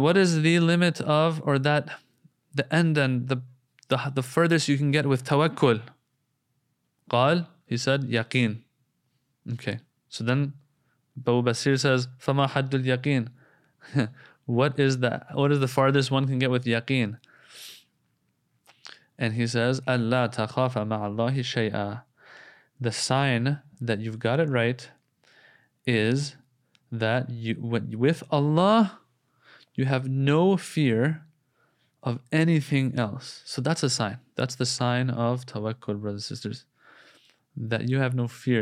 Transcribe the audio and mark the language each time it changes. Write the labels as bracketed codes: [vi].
[en] What is the limit of, or that, the end and the furthest you can get with tawakkul? قال, he said, yaqeen. Okay, so then Abu Basir says, [ar] فَمَا حَدُّ الْيَقِينِ. [en] What is the farthest one can get with yaqeen? And he says, [ar] أَلَّا تَخَافَ مَعَ اللَّهِ شَيْئًا. [en] The sign that you've got it right is that you, with Allah, you have no fear of anything else. So that's a sign. That's the sign of tawakkul, brothers and sisters, that you have no fear.